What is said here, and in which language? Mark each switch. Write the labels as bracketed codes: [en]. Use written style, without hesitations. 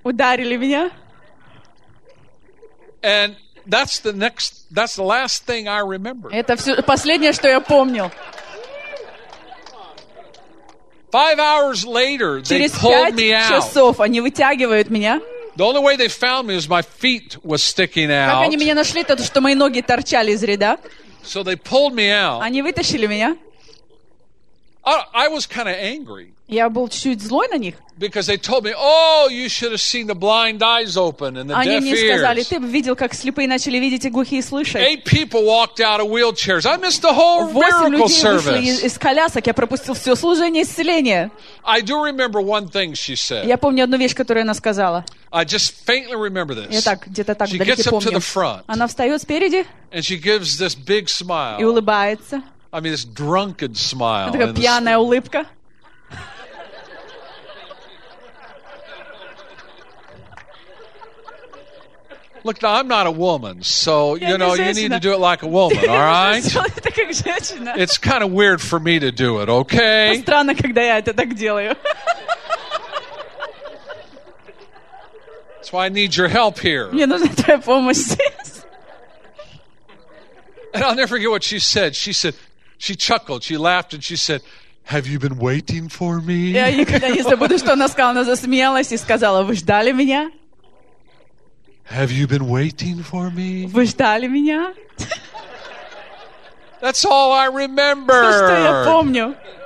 [ru] Ударили меня. [en] And that's the last thing I remember. [ru] Это все последнее, что я помнил. [en] 5 hours later, they pulled me out. [ru] Через 5 часов они вытягивают меня. [en] The only way they found me was my feet was sticking out. [ru] Как они меня нашли, то что мои ноги торчали из ряда. [en] So they pulled me out. [ru] Они вытащили меня. [en] I was kind of angry. [ru] Я был чуть злой на них. [en] Because they told me, "Oh, you should have seen the blind eyes open and the deaf ears." [ru] Они мне сказали, ты бы видел, как слепые начали видеть и глухие слышать. [en] 8 people walked out of wheelchairs. I missed the whole miracle service. [ru] 8 людей вышли из колясок, я пропустил все служение исцеления. [en] I do remember one thing she said. [ru] Я помню одну вещь, которую она сказала. [en] I just faintly remember this. [ru] Я так где-то так далеко помню. [en] She gets up to the front. [ru] Она встает спереди. [en] And she gives this big smile. [ru] И улыбается. [en] I mean, this drunken smile. [ru] Это пьяная улыбка. [en] Look, now, I'm not a woman, so, you know, you need to do it like a woman, all right? [ru] Это как женщина. [en] It's kind of weird for me to do it, okay? [ru] Странно, когда я это так делаю. [en] That's why I need your help here. [ru] Мне нужна твоя помощь здесь. [en] And I'll never forget what she said. She said, she chuckled, she laughed, and she said, Have you been waiting for me? [ru] Я никогда не забуду, что она сказала, она засмеялась и сказала: "Вы ждали меня?" [en] Have you been waiting for me? [ru] Вы ждали меня? [en] That's all I remember. [ru] Все, что я помню.